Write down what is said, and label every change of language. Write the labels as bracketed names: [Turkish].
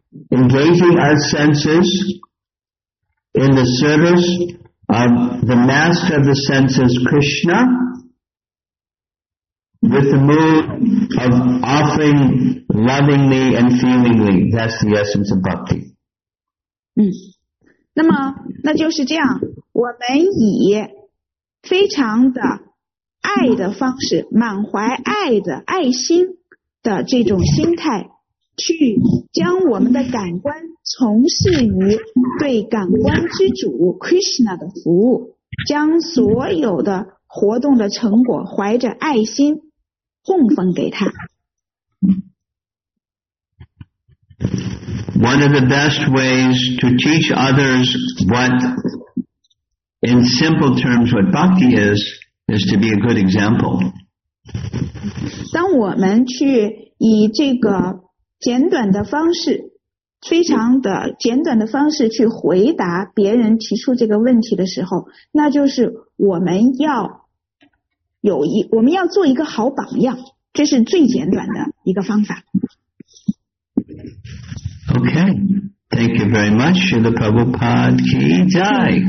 [English] Engaging our senses in the service of the master of the senses, Krishna, with the mood of offering lovingly and feelingly. That's the essence of bhakti. [Chinese] 那么那就是这样，我们以非常的爱的方式，满怀爱的爱心的这种心态，去将我们的感官从事于对感官之主 Krishna 的服务，将所有的活动的成果怀着爱心奉奉给他。 [English] One of the best ways to teach others what, in simple terms, what bhakti is to be a good example. [Chinese] 当我们去以这个简短的方式，非常的简短的方式去回答别人提出这个问题的时候，那就是我们要有一，我们要做一个好榜样，这是最简短的一个方法。 [English] Okay, thank you very much, Srila Prabhupada Ki Jai.